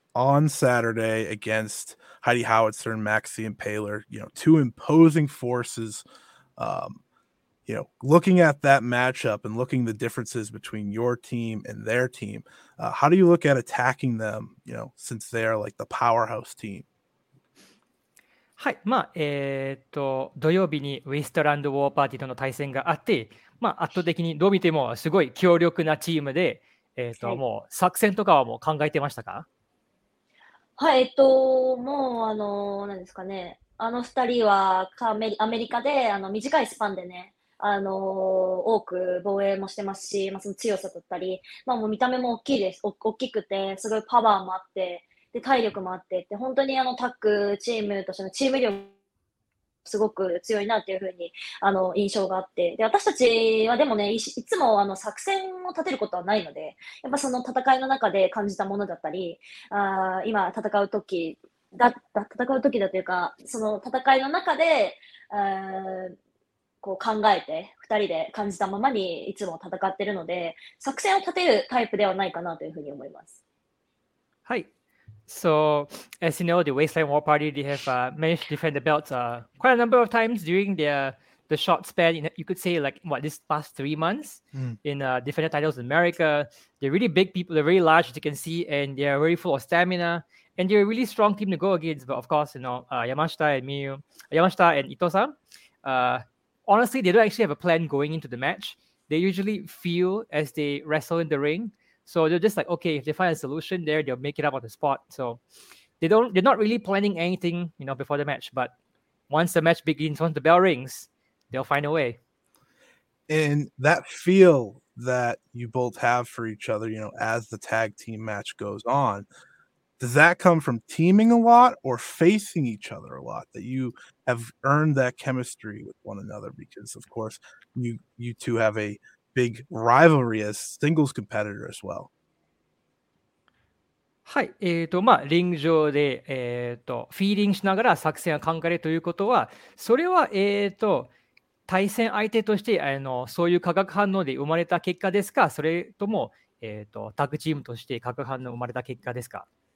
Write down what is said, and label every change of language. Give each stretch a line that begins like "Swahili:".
English: on Saturday against Heidi Howitzer and Maxine Paler, you know, two imposing forces. You know, looking at that matchup and looking the differences between your team and their team, how do you look at attacking them, you know, since they are like the powerhouse team?
Japanese: はい、まあ土曜日にウィストランドウォーパーティーとの対戦があって、まあ、圧倒的にどう見てもすごい強力なチームで、はい、もう作戦とかはもう考えてましたか？はい、もうあの何ですかね、あの2人はアメリカであの短いスパンでね、あの多く防衛もしてますし、まあ、その強さだったり、まあ、もう見た目も大きいです、大きくてすごいパワーもあって、で体力もあってって、本当にあのタッグチームとしてのチーム力すごく強いなっていう風にあの印象があって、で私たちはでもね、 いつもあの作戦を立てることはないので、やっぱその戦いの中で感じたものだったり、あ今戦う時だった戦う時だというか、その戦いの中でこう考えて2人で感じたままにいつも戦ってるので、作戦を立てるタイプではないかなという風に思います。はい、
English: So, as you know, the Wasteland War Party, they have managed to defend the belts quite a number of times during the short span, in, you could say, like, what, this past 3 months in defending titles in America. They're really big people, they're very large, as you can see, and they're very full of stamina, and they're a really strong team to go against. But of course, you know, Yamashita and Ito-san, honestly, they don't actually have a plan going into the match. They usually feel as they wrestle in the ring. So they're just like, okay, if they find a solution there, they'll make it up on the spot. So they're not really planning anything, you know, before the match. But once the match begins, once the bell rings, they'll find a way. And that feel that you both have for each other, you know, as the tag team match goes on, does that come from teaming a lot or facing each other a lot, that you have earned that chemistry with one another? Because, of course, you two have a big rivalry as singles competitor as well.
Japanese: はい、まあ、リング上で、フィーリングしながら作戦を考えるということは、それは、対戦相手としてあのそういう化学反応で生まれた結果ですか、それとも、タッグチームとして化学反応生まれた結果ですか？